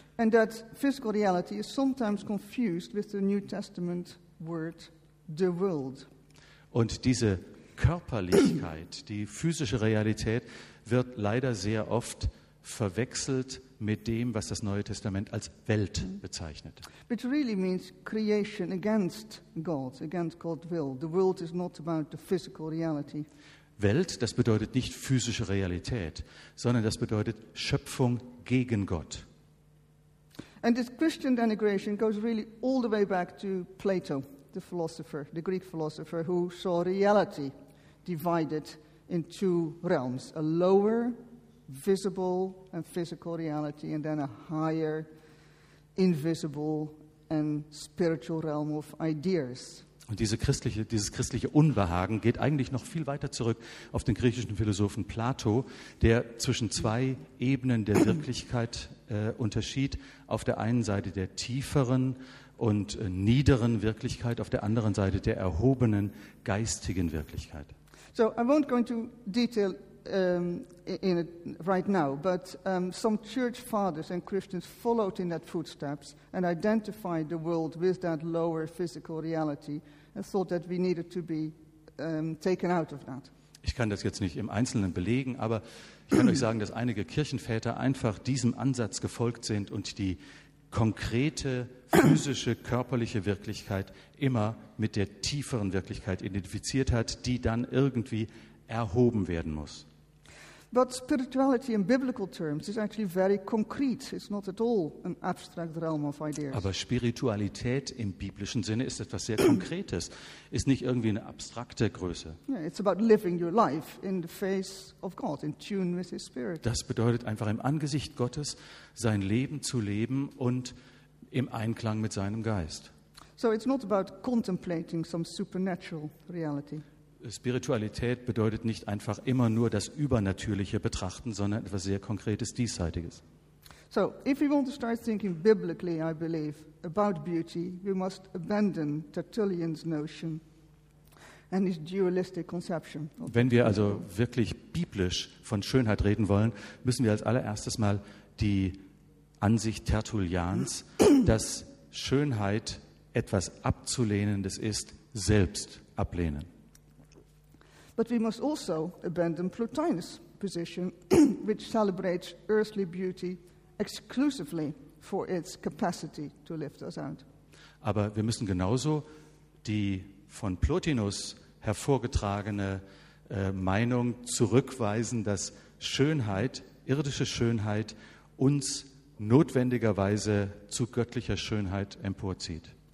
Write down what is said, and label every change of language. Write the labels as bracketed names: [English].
[English] And that physical reality is sometimes confused with the New Testament word the world. [German] Und diese Körperlichkeit, die physische Realität, wird leider sehr oft verwechselt mit dem, was das Neue Testament als Welt bezeichnet. [English] Which really means creation against God's will. The world is not about the physical reality. [German] Welt, das bedeutet nicht physische Realität, sondern das bedeutet Schöpfung gegen Gott. [English] And this Christian denigration goes really all the way back to Plato, the philosopher, the Greek philosopher, who saw reality divided in two realms, a lower visible and physical reality and then a higher invisible and spiritual realm of ideas. [German] Und dieses christliche Unbehagen geht eigentlich noch viel weiter zurück auf den griechischen Philosophen Plato, der zwischen zwei Ebenen der Wirklichkeit unterschied, auf der einen Seite der tieferen und niederen Wirklichkeit, auf der anderen Seite der erhobenen geistigen Wirklichkeit. [English] So, I won't go into detail in it right now, but some church fathers and Christians followed in that footsteps and identified the world with that lower physical reality and thought that we needed to be taken out of that. [German] Ich kann das jetzt nicht im Einzelnen belegen, aber ich kann euch sagen, dass einige Kirchenväter einfach diesem Ansatz gefolgt sind und die konkrete physische, körperliche Wirklichkeit immer mit der tieferen Wirklichkeit identifiziert hat, die dann irgendwie erhoben werden muss. [English] But spirituality in biblical terms is actually very concrete. It's not at all an abstract realm of ideas. [German] Aber Spiritualität im biblischen Sinne ist etwas sehr Konkretes, ist nicht irgendwie eine abstrakte Größe. [English] Yeah, it's about living your life in the face of God, in tune with His Spirit. [German] Das bedeutet einfach im Angesicht Gottes sein Leben zu leben und im Einklang mit seinem Geist. [English] So it's not about contemplating some supernatural reality. [German] Spiritualität bedeutet nicht einfach immer nur das Übernatürliche betrachten, sondern etwas sehr Konkretes, Diesseitiges. [English] So, if we want to start thinking biblically, I believe, about beauty, we must abandon Tertullian's notion and his dualistic conception. [German] Wenn wir also wirklich biblisch von Schönheit reden wollen, müssen wir als allererstes mal die Ansicht Tertullians, dass Schönheit etwas Abzulehnendes ist, selbst ablehnen. [English] But we must also abandon Plotinus' position, which celebrates earthly beauty exclusively for its capacity to lift us out. [German] Aber wir müssen genauso die von Plotinus hervorgetragene Meinung zurückweisen, dass Schönheit, irdische Schönheit, uns notwendigerweise zu göttlicher Schönheit emporzieht.